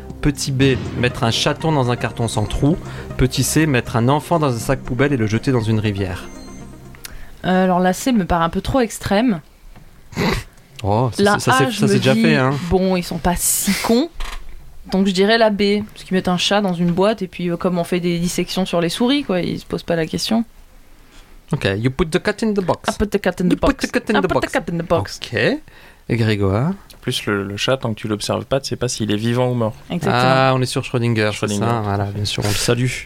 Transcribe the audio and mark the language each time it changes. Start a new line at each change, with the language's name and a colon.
French: Petit B, mettre un chaton dans un carton sans trou. Petit C, mettre un enfant dans un sac poubelle et le jeter dans une rivière. Alors la C me paraît un peu trop extrême. Oh, ça s'est déjà fait, hein. Bon, ils sont pas si cons. Donc je dirais la B, parce qu'ils mettent un chat dans une boîte et puis comme on fait des dissections sur les souris, quoi, ils se posent pas la question.
English: Ok, you put the cat in the box. I put the cat in the box.
French: Ok, et Grégoire. Plus le chat, tant que tu l'observes pas, tu sais pas s'il est vivant ou mort. Exactement. Ah, on est sur Schrödinger. C'est ça, voilà, bien sûr, on le salue.